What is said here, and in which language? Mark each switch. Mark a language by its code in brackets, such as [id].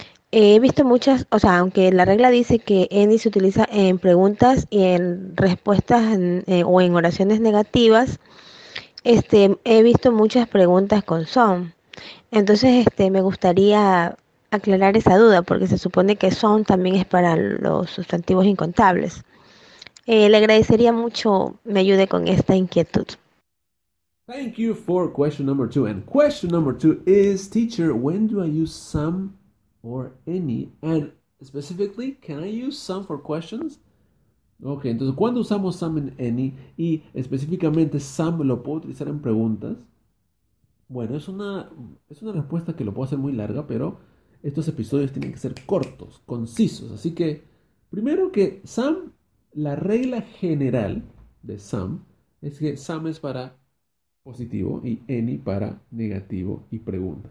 [es] He visto muchas, o sea, aunque la regla dice que any se utiliza en preguntas y en respuestas o en oraciones negativas, he visto muchas preguntas con son. Entonces, me gustaría aclarar esa duda, porque se supone que son también es para los sustantivos incontables. Le agradecería mucho me ayude con esta inquietud. [en] Thank you for question number 2. And question number 2 is, teacher, when do I use some or any? And specifically, can I use some for questions? [es] Ok, entonces, ¿cuándo usamos some and any? Y específicamente, ¿some lo puedo utilizar en preguntas? Bueno, es una respuesta que lo puedo hacer muy larga, pero estos episodios tienen que ser cortos, concisos. Así que, primero que some, la regla general de some es que some es para positivo y any para negativo y pregunta.